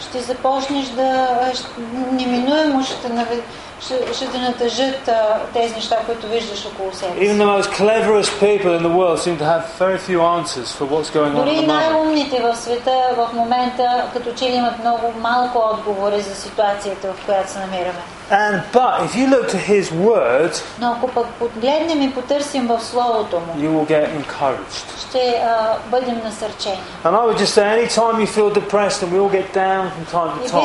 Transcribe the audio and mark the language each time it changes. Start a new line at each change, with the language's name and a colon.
Bulgarian: Ще започнеш да неминуемо ще те натъжат тези неща, които виждаш около себе си.
English: Even the most cleverest people in the world seem to have very few answers for what's going on.
Bulgarian: Дори най-умните в света в момента като че имат много малко отговори за ситуацията, в която се намираме.
English: But if you look to His Word,
Bulgarian: но ако пък подгледнем и потърсим в Словото Му,
English: you will get encouraged.
Bulgarian: Ще бъдем насърчени.
English: And I would just say, any time you feel depressed, and we all get down from time to time.